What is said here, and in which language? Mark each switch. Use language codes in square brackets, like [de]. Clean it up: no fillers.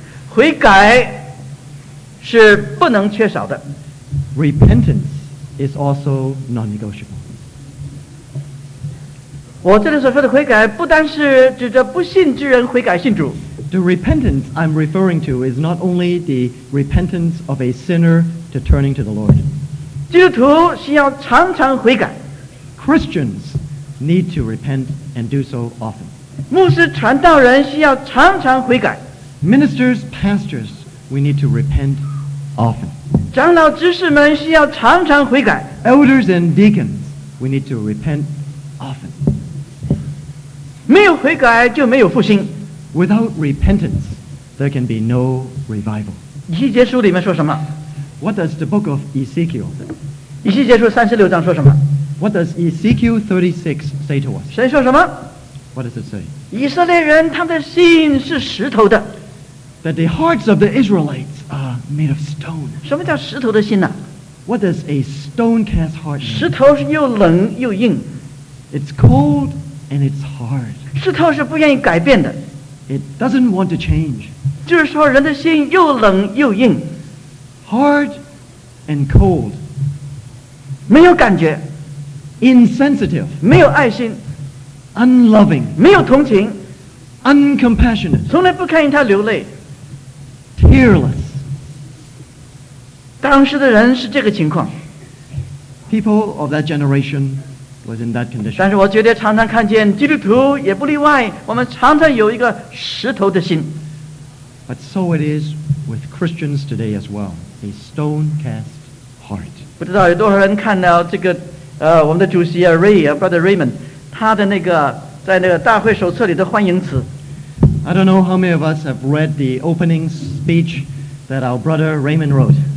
[zh] 悔改是不能缺少的。 [en] Repentance is also non-negotiable. [zh] 我这里所说的悔改不单是指着不信之人悔改信主。 [en] The repentance I'm referring to is not only the repentance of a sinner to turning to the Lord. [zh] 基督徒需要常常悔改。 [en] Christians need to repent and do so often. [zh] 牧师传道人需要常常悔改。 [en] Ministers, pastors, we need to repent often. [zh] 长老执事们需要常常悔改。 [en] Elders and deacons, we need to repent often. [zh] 没有悔改就没有复兴。 [en] Without repentance, there can be no revival. [zh] 以西结书里面说什么？ [en] What does the book of Ezekiel say? [zh] 以西结书36章说什么？ [en] What does Ezekiel 36 say to us? [zh] 神说什么？ [en] What does it say? [zh] 以色列人他们的心是石头的。 [en] That the hearts of the Israelites are made of stone. [zh] 什么叫石头的心呢？ [en] What does a stone cast heart mean? [zh] 石头是又冷又硬。 [en] It's cold and it's hard. [zh] 石头是不愿意改变的。 [en] It doesn't want to change. [zh] 就是说人的心又冷又硬。 [en] Hard and cold. [zh] 没有感觉。 [en] insensitive, [zh] 没有爱心, [en] unloving, [zh] 没有同情, [en] uncompassionate, [zh] 从来不看见他流泪, [en] tearless. [zh] 当时的人是这个情况, [en] people of that generation was in that condition. [zh] 但是我觉得常常看见基督徒也不例外, 我们常常有一个石头的心, [en] but so it is with Christians today as well, a stone cast heart. [zh] 不知道有多少人看到这个, 我们的主席, Ray, Brother Raymond, 他的那个, 在那个大会手册里的欢迎词, [en] I don't know how many of us have read the opening speech that our brother Raymond wrote.